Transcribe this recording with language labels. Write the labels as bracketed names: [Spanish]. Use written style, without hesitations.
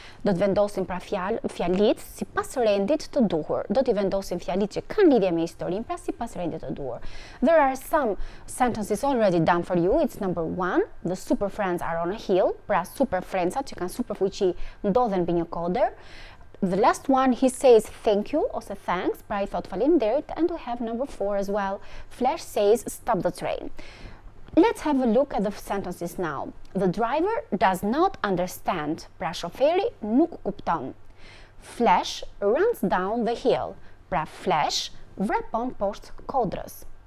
[Albanian] Do të vendosim pra fjalit si pas rendit të duhur. Do t'i vendosim fjalit që kanë lidhje me historin pra si pas rendit të duhur. [English] There are some sentences already done for you. It's number one, the super friends are on a hill. [Albanian] Pra super friendsat që kanë super fuqi ndodhen bi një koder. [English] The last one, he says thank you, [Albanian] ose thanks, pra I thot faleminderit. [English] And we have number four as well, Flash says stop the train. Let's have a look at the sentences now. The driver does not understand, [Albanian] pra shoferi nuk kupton. [English] Flash runs down the hill, [Albanian] pra Flash vrapon post kodrës.